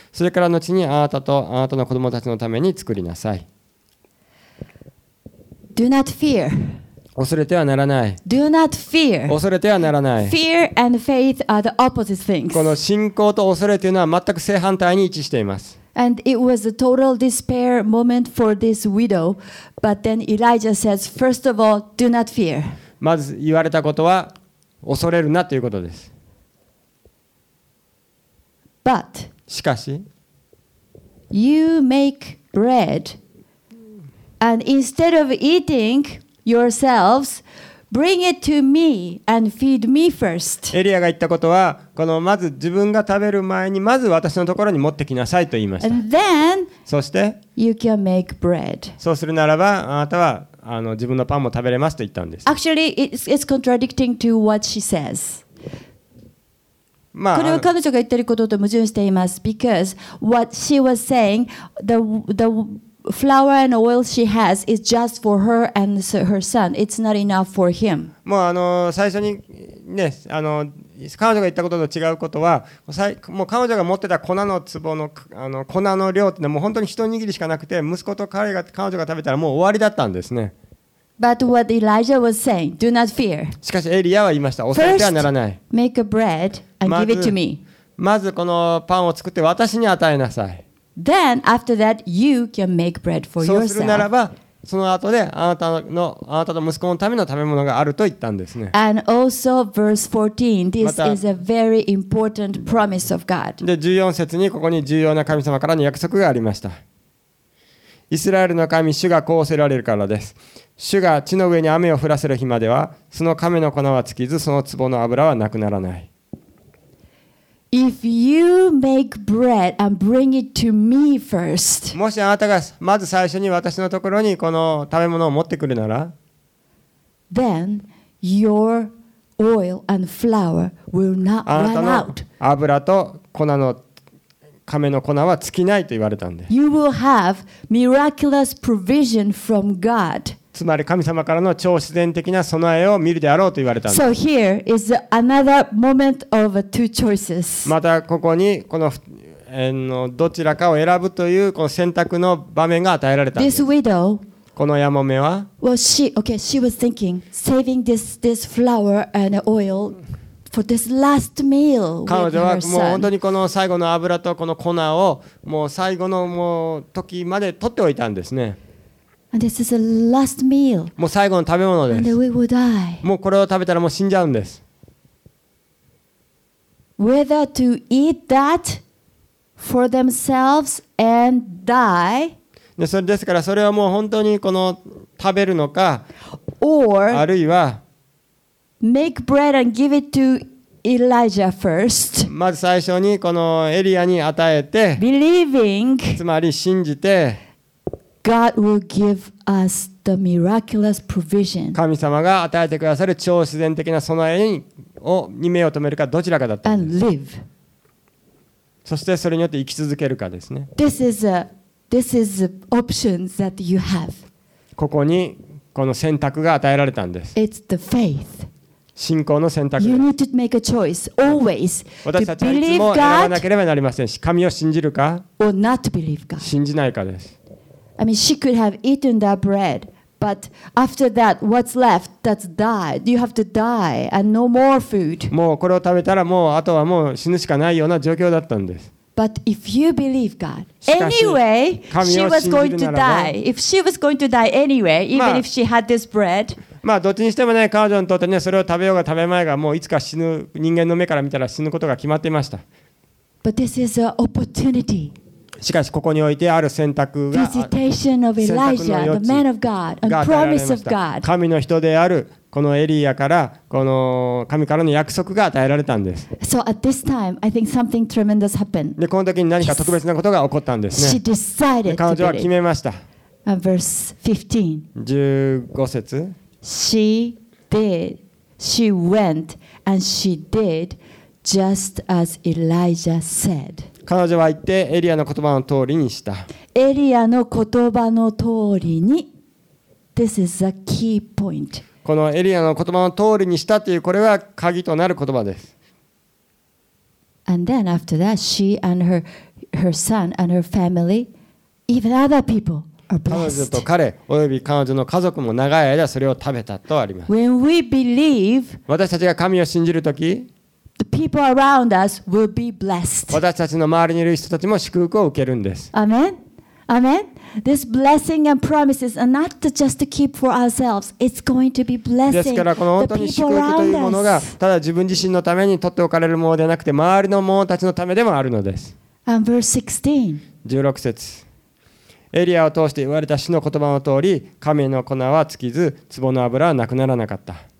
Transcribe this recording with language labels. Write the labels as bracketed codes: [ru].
[ja] それから後に、あなたとあなたの子供たちのために作りなさい。 [en] Do not fear. [ja] 恐れてはならない。 [en] Do not fear. [ja] 恐れてはならない。 [en] Fear and faith are the opposite things. [ja] この信仰と恐れというのは全く正反対に位置しています。 [en] And it was a total despair moment for this widow. But then Elijah says, first of all, do not fear. [ja] まず言われたことは、恐れるなということです。 [en] But, [ja] しかし、 [en] you make bread, and instead of eating,yourselves, bring it to me and feed me first. [ja] エリアが言ったことは、このまず自分が食べる前にまず私のところに持ってきなさいと言いました。 [en] And then, [ja] そして、 [en] you can make bread. [ja] そうするならば、あなたはあの自分のパンも食べれますと言ったんです。 [en] Actually, it's contradicting to what she says. [ja] まあ、これは彼女が言っていることと矛盾しています。 [en] Because what she was saying, the Flour and oil she has is just for her and her son. It's not enough for him. [ja] もうあの最初にね、あの彼女が言ったことと違うことは、もう彼女が持ってた粉の壺のあの粉の量ってのはもう本当に一握りしかなくて、息子と彼女が食べたらもう終わりだったんですね。 [en] But what Elijah was saying, do not fear. [ja] しかしエリアは言いました。恐れてはならない。 [en] First, make a bread and give it to me. [ja] まずこのパンを作って私に与えなさい。 [en] Then after that, you can make bread for yourself. [ja] そうするならば、その後であなたのあなたと息子のための食べ物があると言ったんですね。 [en] And also verse 14, this is a very important promise of God. [ja] で十四節にここに重要な神様からの約束がありました。イスラエルの神主がこうおせられるからです。主が地の上に雨を降らせる日までは、その亀の粉は尽きず、その壺の油はなくならない。 [en] If you make bread and bring it to me first, [ja] もしあなたがまず最初に私のところにこの食べ物を持ってくるなら、 [en] then your oil and flour will not run out. [ja] あなたの油と粉の亀の粉は尽きないと言われたんです。 [en] You will have miraculous provision from God. [ja] つまり神様からの超自然的な備えを見るであろうと言われたんです。 [en] So here is another moment of two choices. [ja] またここにこのどちらかを選ぶというこの選択の場面が与えられたんです。 [en] This widow, [ja] このヤモメは、 [en] well, she, okay, she was thinking saving this flour and oil. For this last meal with her son. [ja] 彼女はもう本当にこの最後の油とこの粉をもう最後のもう時まで取っておいたんですね。 [en] And this is the last meal. [ja] もう最後の食べ物です。 [en] And we will die. [ja] もうこれを食べたらもう死んじゃうんです。 [en] Whether to eat that for themselves and die. [ja] でそれですからそれはもう本当にこの食べるのか、 [en] or [ja] あるいは。 [en] Make bread and give it to Elijah first. [ja] まず最初にこのエリアに与えて、 [en] believing, [ja] つまり信じて、 [en] God will give us the miraculous provision. [ja] 神様が与えてくださる超自然的な備えに目を留めるかどちらかだったんです。 [en] And live. [ja] そしてそれによって生き続けるかですね。 [en] This is the options that you have. [ja] ここにこの選択が与えられたんです。 [en] It's the faith. [ja] 信仰の選択。 [en] You need to make a choice, always. [ja] 私たちはいつも選ばなければなりませんし、神を信じるか、 [en] or not to believe God. [ja] 信じないかです。 [en] I mean, she could have eaten that bread, but after that, what's left? That's died. You have to die and no more food. [ja] もうこれを食べたらもうあとはもう死ぬしかないような状況だったんです。 [en] But if you believe God, anyway, she was going to die. If she was going to die anyway, even if she had this bread. [ja] まあどっちにしてもね、彼女にとってね、それを食べようが食べまいが、もういつか死ぬ、人間の目から見たら死ぬことが決まっていました。 [en] But this is an opportunity. [ja] しかしここにおいてある選択が、 [en] Visitation of Elijah, the man of God, a promise of God. [ja] 神の人であるこのエリアからこの神からの約束が与えられたんです。 [en] So at this time, I think something tremendous happened. [ja] でこの時に何か特別なことが起こったんですね。 [en] She decided to get it. [ja] 彼女は決めました。 [en] Verse [ja] 15. 15節。 [en] She did. She went and she did just as Elijah said. [ja] 彼女は言ってエリアの言葉の通りにした。エリアの言葉の通りに。 [en] This is a key point. [ja] このエリアの言葉の通りにしたというこれは鍵となる言葉です。 [en] And then after that, she and her son and her family, even other people. [ja] 彼女と彼および彼女の家族も長い間それを食べたとあります。 [en] When we believe, [ja] 私たちが神を信じるとき、 [en] the people around us will be blessed. [ja] 私たちの周りにいる人たちも祝福を受けるんです。 [en] Amen, amen. This blessing and promises are not just to keep for ourselves. It's going to be blessing. [ja] ですからこの本当に祝福というものがただ自分自身のために取っておかれるものではなくて周りの者たちのためでもあるのです。 [en] And verse 16. [ja] 16節。エリアを通して言われた主の言葉の通り、神の粉は尽きず、壺の油はなくならなかった。